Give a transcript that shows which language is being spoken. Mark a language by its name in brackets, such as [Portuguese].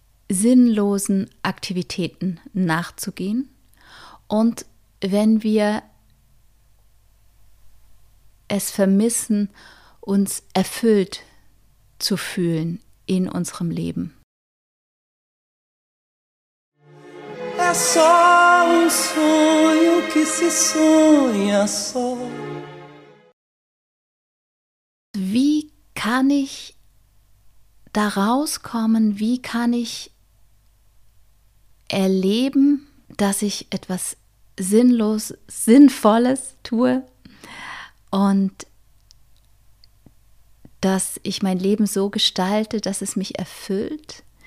[German] sinnlosen Aktivitäten nachzugehen und wenn wir es vermissen, uns erfüllt zu fühlen in unserem Leben. [Portuguese] É só sonho que se sonha só. [German] Wie kann ich da rauskommen? Wie kann ich erleben, dass ich etwas sinnlos, Sinnvolles tue und dass ich mein Leben so gestalte, dass es mich erfüllt?